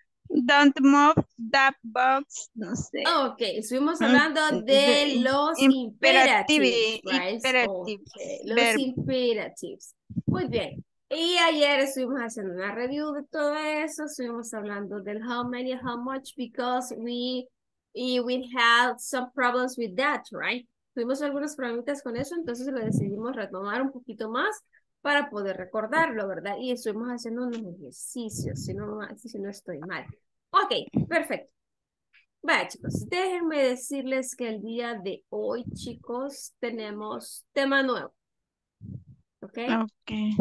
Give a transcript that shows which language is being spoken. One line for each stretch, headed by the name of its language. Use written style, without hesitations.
English: Don't move that box,
Spanish: no sé. Ok, estuvimos hablando de los imperatives, right? Imperatives. Okay. Los imperatives. Muy bien. Y ayer estuvimos haciendo una review de todo eso. Estuvimos hablando del
English: how many, how much, because we had some problems with that, right?
Spanish: Tuvimos algunas problemitas con eso, entonces lo decidimos retomar un poquito más para poder recordarlo, ¿verdad? Y estuvimos haciendo unos ejercicios, si no estoy mal. Ok, perfecto. Vaya, chicos, déjenme decirles que el día de hoy, chicos, tenemos tema nuevo. Okay.